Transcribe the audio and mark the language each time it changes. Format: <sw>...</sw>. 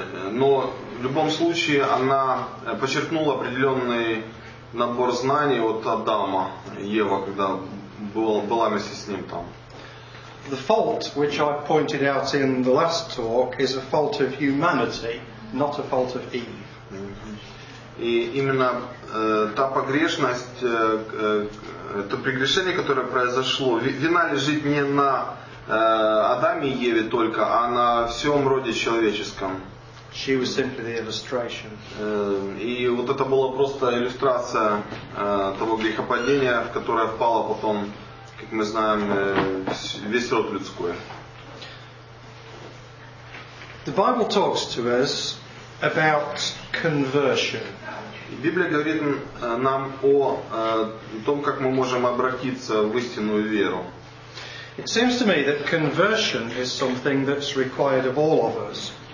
<ru>Но в любом случае она почерпнула определенный набор знаний от Адама, Ева, когда была вместе с ним там.</ru> <en>The fault which I pointed out in the last talk is a fault of humanity, not a fault of Eve.</en> <ru>И именно та погрешность, то прегрешение, которое произошло, вина лежит не на Адаме и Еве только, а на всем роде человеческом.</ru> <en>She was simply the illustration.</en> <ru>И вот это была просто иллюстрация того грехопадения, в которое впало потом, как мы знаем, весь род людской.</ru> <en>The Bible talks to us about conversion.</en> <ru>Библия говорит нам о том, как мы можем обратиться в истинную веру.</ru> <en>It seems to me that conversion is something that's required of all of us.</en>